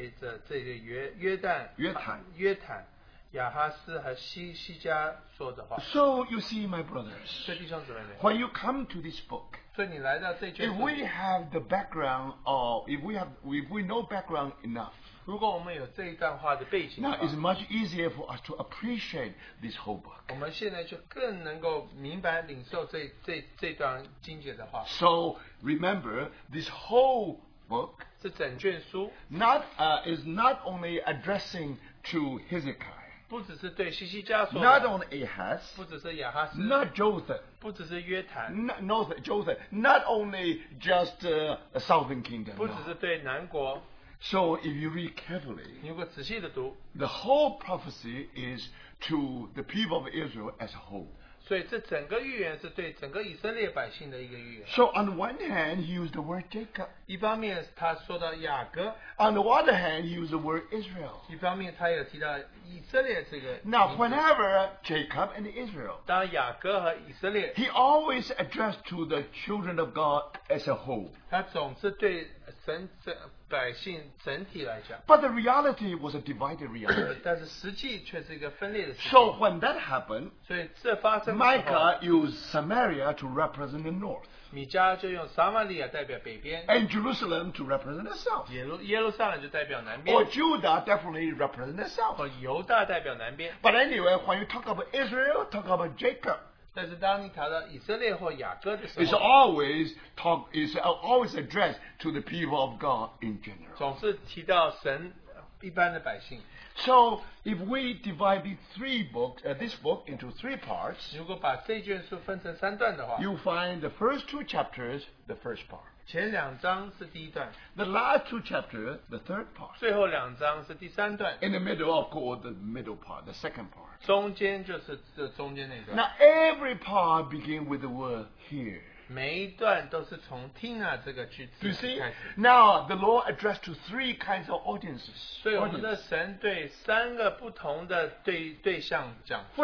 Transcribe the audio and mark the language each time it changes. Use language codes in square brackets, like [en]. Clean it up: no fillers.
[zh] 所以这些话是针对着这个约坦, 亚哈斯和西西家说的话. [en] So you see, my brothers, [zh] 所以弟兄姊妹们, [en] when you come to this book, [zh] 所以你来到这卷书, [en] if we have the background, or if we know background enough, [zh] 如果我们有这一段话的背景的话, [en] now it's much easier for us to appreciate this whole book. [zh] 我们现在就更能够明白领受这段经节的话. [en] So remember, this whole book, [zh] 是整卷书, [en] is not only addressing to Hezekiah, [zh] 不只是对西西家说, [en] not only Ahaz, [zh] 不只是亚哈斯, [en] not Joseph, [zh] 不只是约坦, [en] not Joseph, not only just the southern kingdom, [zh] 不只是对南国, [en] so if you read carefully, [zh] 如果仔细地读, [en] the whole prophecy is to the people of Israel as a whole. So on the one hand, he used the word Jacob. [zh] 一方面他说到雅各, [en] on the other hand, he used the word Israel. [zh] 一方面他也提到以色列这个名字。 [en] Now, whenever Jacob and Israel, [zh] 当雅各和以色列, [en] he always addressed to the children of God as a whole. [zh] 他总是对神整体来讲, [en] but the reality was a divided reality. [zh] 但是实际却是一个分裂的事情。 [en] So when that happened, [zh] 所以这发生的时候, [en] Micah used Samaria to represent the north, [zh] 米迦就用撒玛利亚代表北边, [en] and Jerusalem to represent the south, [zh] 耶路撒冷就代表南边, [en] or Judah definitely represent the south, [zh] 和犹大代表南边。 [en] But anyway, when you talk about Israel, talk about Jacob, It's always addressed to the people of God in general. [zh] 总是提到神一般的百姓。 [en] So if we divide this book into three parts, [zh] 如果把这卷书分成三段的话, [en] you find the first two chapters, the first part. [zh] 前两章是第一段, [en] the last two chapters, the third part. [zh] 最后两章是第三段, [en] in the middle of God, the middle part, the second part. [zh] 中间就是这中间那段。 [en] Now every part begins with the word here. [zh] 每一段都是从听啊这个句子开始。 [en] You see, now the Lord addressed to three kinds of audiences. [zh] 所以我们的神对三个不同的对象讲话。